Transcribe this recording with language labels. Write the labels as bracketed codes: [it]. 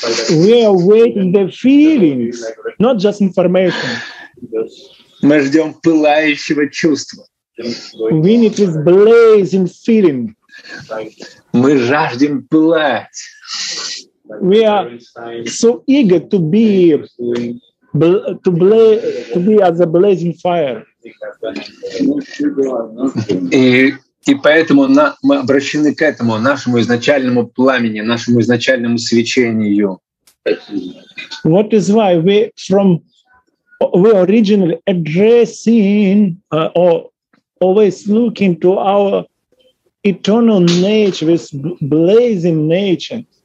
[en] We are waiting the feelings, not just information. [ru] Мы ждем пылающего чувства. [en] We need this blazing feeling. [ru] Мы жаждем пылать. [en] We are so eager to be as a blazing fire. [ru] И поэтому мы обращены к этому, нашему изначальному пламени, нашему изначальному свечению. [en] What is why we originally addressing or always looking to our eternal nature, this blazing nature.